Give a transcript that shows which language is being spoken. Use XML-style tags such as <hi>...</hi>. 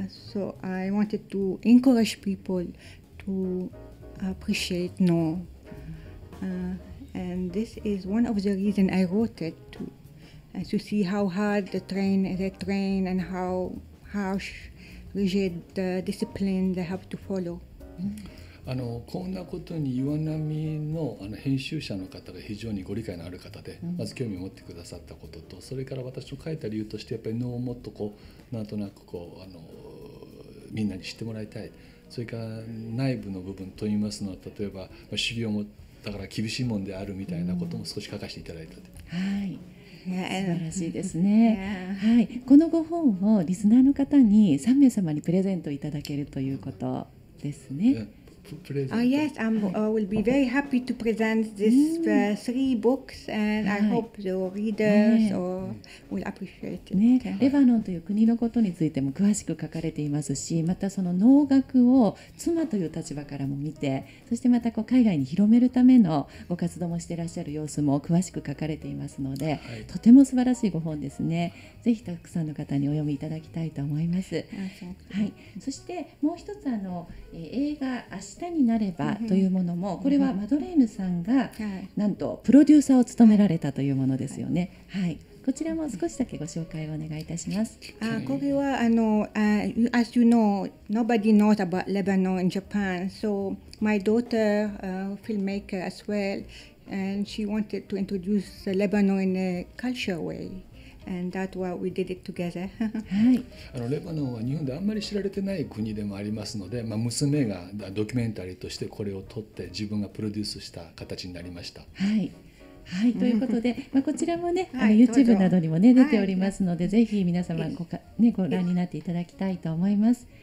<en>So I wanted to encourage people toAppreciate no, and this is one of the reasons I wrote it too, to see how hard the train, and how harsh, rigid the discipline they have to follow.</en> <ja>こんなことに岩波の編集者の方が非常にご理解のある方で、まず興味を持ってくださったことと、それから私の書いた理由として、やっぱりのをもっとこうなんとなくこうみんなに知ってもらいたい。それから内部の部分といいますのは、例えば修行もだから厳しいもんであるみたいなことも少し書かせていただいたと。はい、素晴らしいですね。はい、このご本をリスナーの方に3名様にプレゼントいただけるということですね。</ja> <en>Yes, I will be very happy to present this three books, and I hope the readers will appreciate it.</en> <ja>レバノンという国のことについても詳しく書かれていますし、またその能楽を妻という立場からも見て、そしてまたこう海外に広めるためのご活動もしていらっしゃる様子も詳しく書かれていますので、とても素晴らしいご本ですね。ぜひたくさんの方にお読みいただきたいと思います。はい、そしてもう一つ映画明日下になればというものも、これはマドレーヌさんがなんとプロデューサーを務められたというものですよね。はい、こちらも少しだけご紹介をお願いいたします。これは</ja> <en>as you know, nobody knows about Lebanon in Japan, so my daughter, filmmaker as well, and she wanted to introduce Lebanon in a cultural way, and that's why we did it together.</en> <ja>、はい、レバノンは日本であんまり知られてない国でもありますので、まあ、娘がドキュメンタリーとしてこれを撮って自分がプロデュースした形になりました。はいはい、ということで、まあ、こちらもね、はい、YouTube などにも、ね、出ておりますので、はい、ぜひ皆様 ね、ご覧になっていただきたいと思います。</ja>